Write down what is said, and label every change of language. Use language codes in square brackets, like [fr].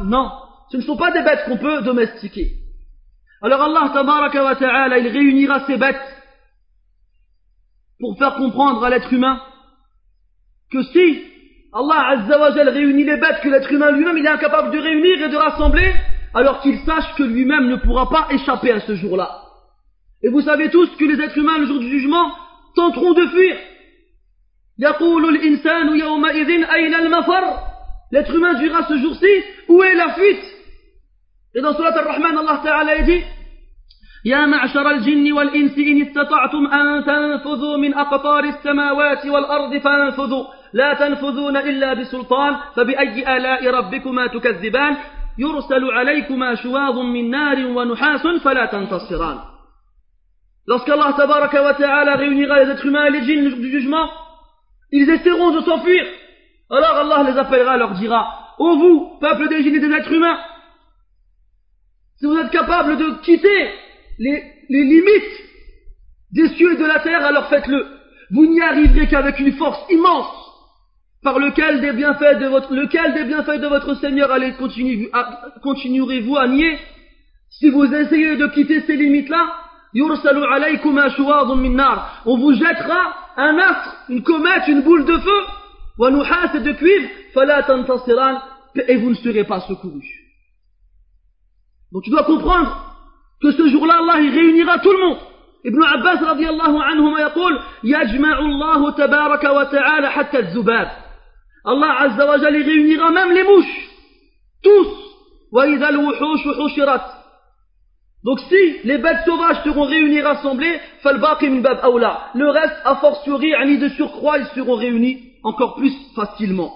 [fr] Non, ce ne sont pas des bêtes qu'on peut domestiquer. Alors Allah tabaraka wa ta'ala, il réunira ces bêtes pour faire comprendre à l'être humain que si Allah azza wa jal réunit les bêtes que l'être humain lui-même il est incapable de réunir et de rassembler, alors qu'il sache que lui-même ne pourra pas échapper à ce jour-là. Et vous savez tous que les êtres humains, le jour du jugement, tenteront de fuir. [ar] يقول الإنسان يومئذ أين المفر. [fr] L'être humain dira ce jour-ci, où est la fuite? Et dans Sourate Ar-Rahman, Allah Ta'ala dit: [ar] يا معشر الجن والإنس إن استطعتم أن تنفذوا من أقطار السماوات والأرض فانفذوا لا تنفذون إلا بسلطان فبأي آلاء ربكما تكذبان يرسل عليكما شواظ من نار ونحاس فلا تنتصران. [fr] Lorsqu'Allah Tabaraka wa Ta'ala réunira les êtres humains et les djinns du jugement, ils essaieront de s'enfuir. Alors Allah les appellera et leur dira: ô vous, peuple des djinns et des êtres humains, si vous êtes capables de quitter les limites des cieux et de la terre, alors faites-le. Vous n'y arriverez qu'avec une force immense, par lequel des bienfaits de votre Seigneur allez continuerez-vous à nier si vous essayez de quitter ces limites-là. [ar] يُرْسَلُ عَلَيْكُمَا شُوَاظٌ مِنْ نَارٍ. [fr] On vous jettera un astre, une comète, une boule de feu, [ar] وَنُحَاسَ [fr] de cuivre, [ar] فَلَا تَنْتَصِرَانَ, [fr] et vous ne serez pas secourus. Donc tu dois comprendre que ce jour-là, Allah, il réunira tout le monde. [ar] Ibn Abbas, radiyallahu anhuma, yaqul, يَجْمَعُ اللَّهُ تَبَارَكَ وَتَعَالَ حَتَّى الزُّبَابِ. [fr] Allah, azza wa jal, il réunira même les mouches, tous, [ar] وَإِذَا الْوُحُوشُ حُشِرَتْ. [fr] Donc si les bêtes sauvages seront réunies, rassemblées, [ar] فَالْبَاقِ مِنْ بَابْ أَوْلَى, [fr] le reste, a fortiori, ani de surcroît, ils seront réunis encore plus facilement.